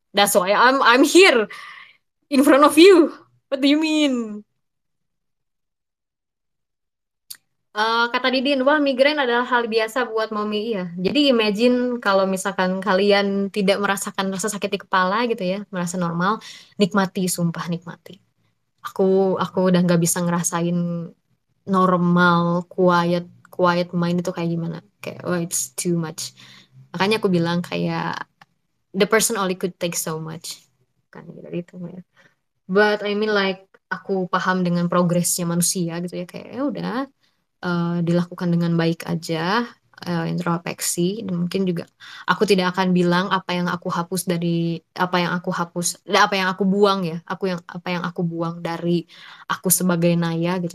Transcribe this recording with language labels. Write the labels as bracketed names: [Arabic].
[English] That's why I'm here in front of you. What do you mean? [Indonesian] Kata Didin, wah, migrain adalah hal biasa buat mommy. Iya. Jadi imagine kalau misalkan kalian tidak merasakan rasa sakit di kepala gitu ya, merasa normal, nikmati, sumpah nikmati. Aku udah nggak bisa ngerasain normal, [English] quiet, quiet mind [Indonesian] itu kayak gimana. Kayak, [English] oh, it's too much. [Indonesian] Makanya aku bilang kayak [English] the person only could take so much. [Indonesian] Kan gitu itu ya. [English] But I mean like [Indonesian] aku paham dengan progresnya manusia gitu ya, kayak ya udah dilakukan dengan baik aja, introspeksi, dan mungkin juga aku tidak akan bilang apa yang aku hapus dari apa yang aku hapus, apa yang aku buang ya, aku yang apa yang aku buang dari aku sebagai Naya gitu.